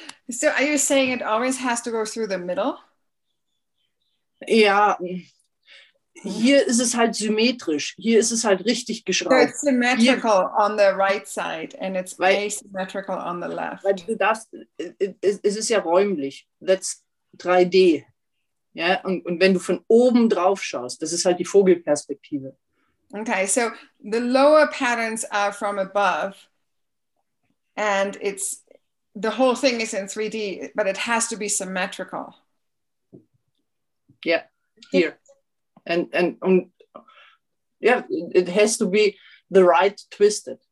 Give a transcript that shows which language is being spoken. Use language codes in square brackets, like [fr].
[en] So are you saying it always has to go through the middle? Yeah. Here is it [de] halt symmetrisch. [en] Here is it [de] halt richtig geschraubt. [en] So it's symmetrical on the right side and it's asymmetrical on the left. [de] Weil du darfst, es ist ja räumlich. [en] That's 3D. [de] Ja, und wenn du von oben drauf schaust, das ist halt die Vogelperspektive. [en] Okay, so the lower patterns are from above and it's the whole thing is in 3D, but it has to be symmetrical. Yeah, here. And yeah, it has to be the right twisted.